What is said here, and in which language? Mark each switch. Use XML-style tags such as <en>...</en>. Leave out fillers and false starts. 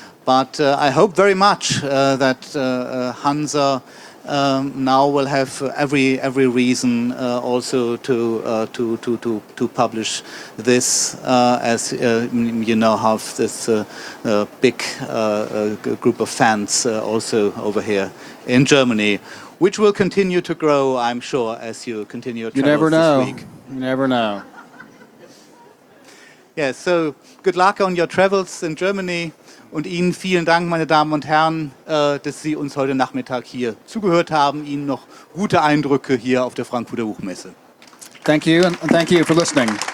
<en>But I hope very much that Hansa now we'll have every reason also to publish this, as you know, have this big group of fans also over here in Germany, which will continue to grow, I'm sure, as you continue your travels this week. You never know. You never know. Yeah. So good luck on your travels in Germany.</en> <de>Und Ihnen vielen Dank, meine Damen und Herren, dass Sie uns heute Nachmittag hier zugehört haben. Ihnen noch gute Eindrücke hier auf der Frankfurter Buchmesse.</de> <en>Thank you and thank you for listening.</en>